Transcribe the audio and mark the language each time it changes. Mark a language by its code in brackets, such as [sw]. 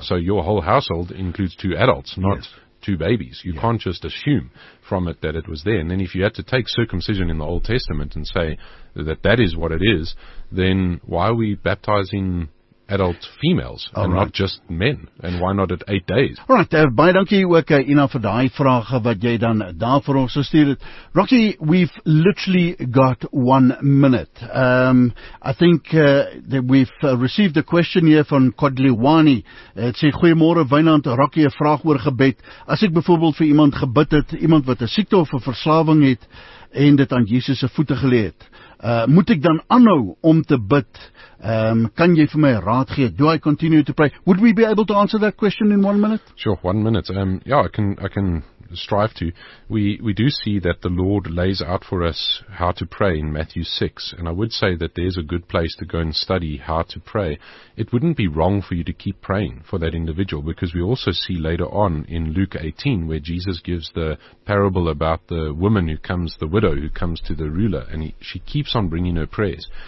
[en] So your whole household includes two adults, not two babies. You can't just assume from it that it was there. And then if you had to take circumcision in the Old Testament and say that that is what it is, then why are we baptizing adult females not just men, and why not at 8 days? [af] All right, baie dankie ook, Ina, vir daai vrae wat jy dan daar vir ons gestuur het. [en] Rocky, we've literally got 1 minute. I think that we've received a question here from Kodliwani. [af] Het sê, goeiemorgen, Wynand, Rocky, een vraag oor gebed. As ek bijvoorbeeld vir iemand gebid het, iemand wat 'n siekte of 'n verslawing het, en dit aan Jesus' voete geleë het, moet ek dan aanhou om te bid? Kan jy vir my raad gee? [en] Do I continue to pray? Would we be able to answer that question in 1 minute? Sure, 1 minute. I can strive to. We do see that the Lord lays out for us how to pray in Matthew 6. And I would say that there's a good place to go and study how to pray. It wouldn't be wrong for you to keep praying for that individual, because we also see later on in Luke 18 where Jesus gives the parable about the woman who comes, the widow who comes to the ruler, and she keeps on bringing her prayers.